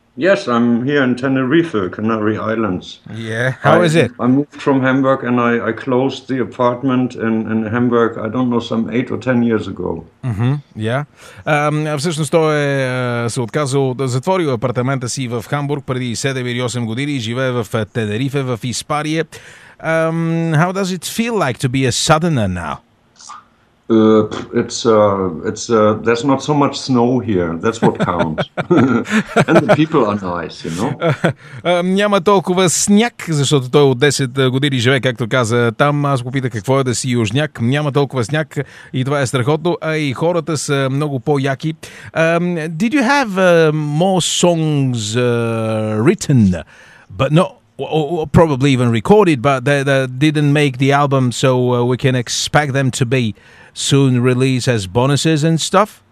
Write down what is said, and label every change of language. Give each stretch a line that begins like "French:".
English: Yes, I'm here in Tenerife, Canary Islands. Yeah, how is it? I moved from Hamburg and I closed the apartment in Hamburg, I don't know, some 8 or 10 years ago. Mm-hmm. Yeah.
Bulgarian: Всъщност той е, се отказал да затвори апартамента си в Хамбург преди 7 или 8 години и живее в Тенерифе, в Испания.
English: How does it feel like to be a southerner now? There's not so much snow here. That's what counts. And the people are nice, you know.
Bulgarian: Няма толкова сняг, защото той от 10 години живее, както каза там. Аз го питах какво е да си южняк. Няма толкова сняг и това е страхотно. А и хората са много по-яки.
English: Did you have more songs written, but not, or probably even recorded, but they didn't make the album, so we can expect them to be soon release as bonuses and stuff?